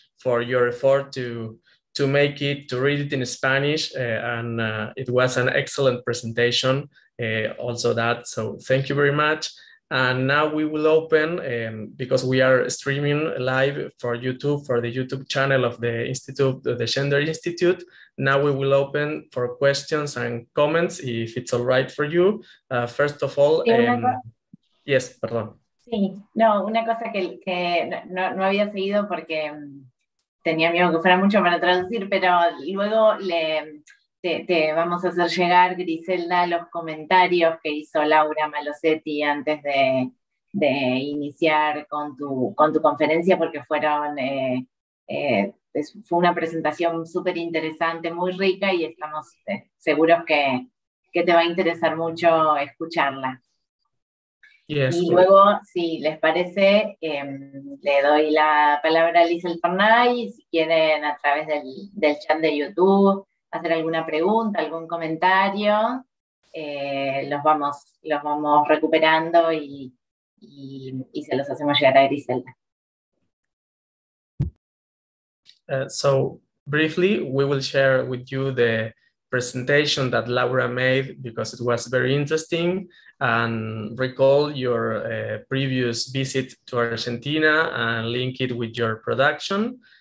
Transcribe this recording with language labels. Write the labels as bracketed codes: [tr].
[en] for your effort to make it, to read it in Spanish, and it was an excellent presentation also that, so thank you very much. And now we will open, because we are streaming live for YouTube, for the YouTube channel of the Institute, the Gender Institute. Now we will open for questions and comments, if it's all right for you. First of all, yes, perdón. [es] Sí, no, una cosa que no había seguido porque tenía miedo que fuera mucho para traducir, pero luego te vamos a hacer llegar, Griselda, los comentarios que hizo Laura Malosetti antes de iniciar con tu conferencia, porque fue una presentación súper interesante, muy rica, y estamos seguros que te va a interesar mucho escucharla. [en] Yes, [es] y luego, si les parece, le doy la palabra a Lizel Pernay, si quieren a través del chat de YouTube hacer alguna pregunta, algún comentario, los vamos recuperando y se los hacemos llegar a Griselda. [en] So, briefly, we will share with you the presentation that Laura made, because it was very interesting, and recall your previous visit to Argentina and link it with your production.